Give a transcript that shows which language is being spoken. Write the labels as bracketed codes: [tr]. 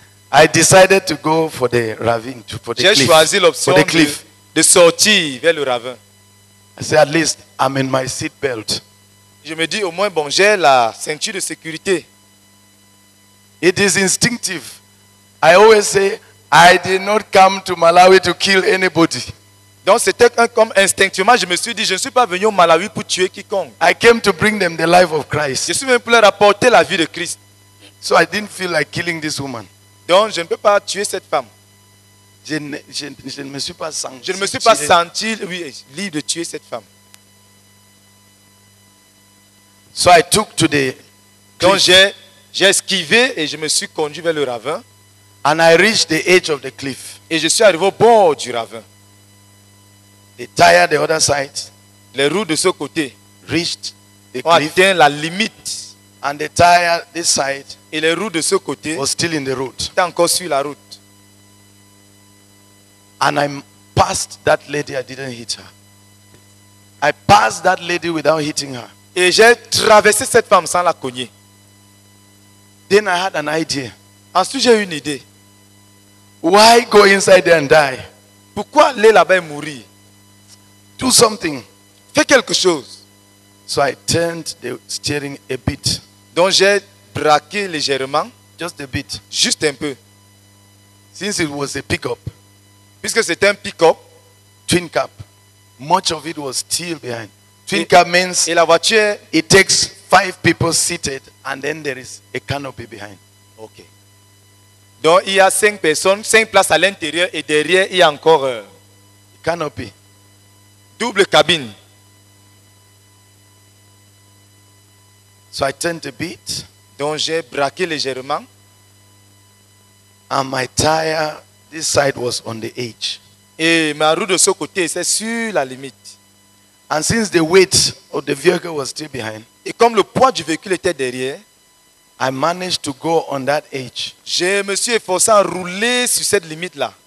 [en] I decided to go for the ravine, for the [fr] j'ai [en] cliff. [fr] J'ai choisi l'option de sortir vers le ravin. [en] I said, at least I'm in my seat belt. [fr] Je me dis au moins bon, j'ai la ceinture de sécurité. [en] It is instinctive. I always say I did not come to Malawi to kill anybody. [fr] Donc c'était comme instinctivement, je me suis dit je ne suis pas venu au Malawi pour tuer quiconque. [en] I came to bring them the life of Christ. [fr] Je suis venu pour leur apporter la vie de Christ. [en] So I didn't feel like killing this woman. [fr] Donc, je ne peux pas tuer cette femme. Je ne me suis pas senti. Je ne me suis pas senti libre de tuer cette femme. [en] So I took to the [fr] donc, j'ai esquivé et je me suis conduit vers le ravin. [en] And I reached the edge of the cliff. [fr] Et je suis arrivé au bord du ravin. [en] The tire the other side. [fr] Les roues de ce côté [en] reached the [fr] ont [en] cliff. [fr] Atteint la limite. [en] And the tire this side. [fr] Et les roues de ce côté [en] was still in the road. [fr] Était encore sur la route. [en] And I passed that lady. I didn't hit her. I passed that lady without hitting her. [fr] Et j'ai traversé cette femme sans la cogner. [en] Then I had an idea. [fr] Ensuite, j'ai eu une idée. [en] Why go inside there and die? [fr] Pourquoi aller là-bas et mourir? [en] Do something. [fr] Fais quelque chose. [en] So I turned the steering a bit. [fr] Donc j'ai braqué légèrement. [en] Just a bit. [fr] Juste un peu. [en] Since it was a pickup. [fr] Puisque c'était un pick-up. [en] Twin cab. Much of it was still behind. Twin cab means. [fr] Et la voiture. [en] It takes five people seated and then there is a canopy behind. Okay. [fr] Donc il y a cinq personnes, cinq places à l'intérieur et derrière il y a encore [en] canopy. [fr] Double cabine. [en] So I turned a bit. [fr] Donc j'ai braqué légèrement. [en] And my tire, this side was on the edge. [fr] Et ma roue de ce côté, c'est sur la limite. [en] And since the weight of the vehicle was still behind. [fr] Et comme le poids du véhicule était derrière. [en] I managed to go on that edge. [fr] Je me suis efforcé à rouler sur cette limite-là.